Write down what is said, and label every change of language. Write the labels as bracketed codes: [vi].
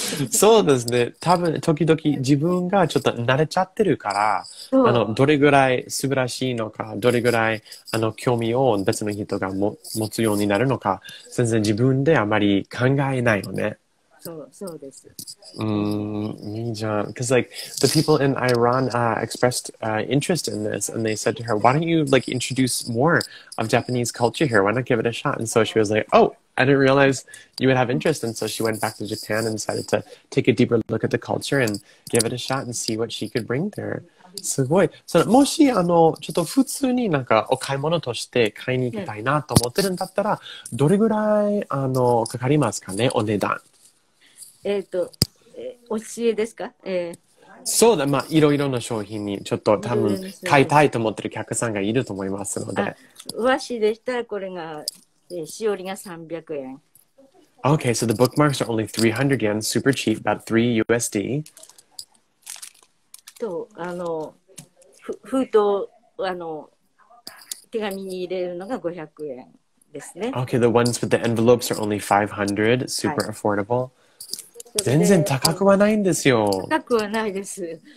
[ja] そうですね、多分時々自分がちょっと慣れちゃってるから、あのどれぐらい素晴らしいのか、どれぐらいあの興味を別の人が持つようになるのか、全然自分であまり考えないよね。そうです。うん、いいじゃん。 [en] Cause like the people in Iran expressed interest in this, and they said to her, "Why don't you like introduce more of Japanese culture here? Why not give it a shot?" And so she was like, "Oh, I didn't realize you would have interest." And so she went back to Japan and decided to take a deeper look at the culture and give it a shot and see what she could bring there. [ja] すごい。そのもしあのちょっと普通になんかお買い物として買いに行きたいなと思ってるんだったら、どれぐらいあのかかりますかね、お値段。教えですか、そうだ、まあ、いろいろな商品にちょっと多分買いたいと思ってる客さんがいると思いますので、和紙でしたらこれが、しおりが300円。 [en] Okay, so the bookmarks are only 300 yen, super cheap, about 3 USD. [ja] とあの封筒あの手紙に入れるのが500円ですね。 [en] Okay, the ones with the envelopes are only 500, super、はい、affordable. 全然高くはないんですよ。高くはないです。